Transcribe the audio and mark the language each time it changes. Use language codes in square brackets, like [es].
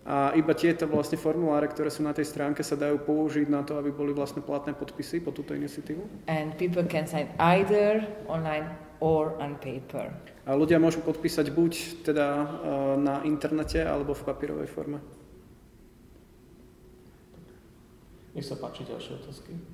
[sk] A iba tieto vlastne formuláre, ktoré sú na tej stránke, sa dajú použiť na to, aby boli vlastne platné podpisy po túto iniciatívu. [en] And people can sign either online or on paper. [sk] A ľudia môžu podpísať buď teda na internete alebo v papierovej forme. Nech sa páči ďalšie otázky.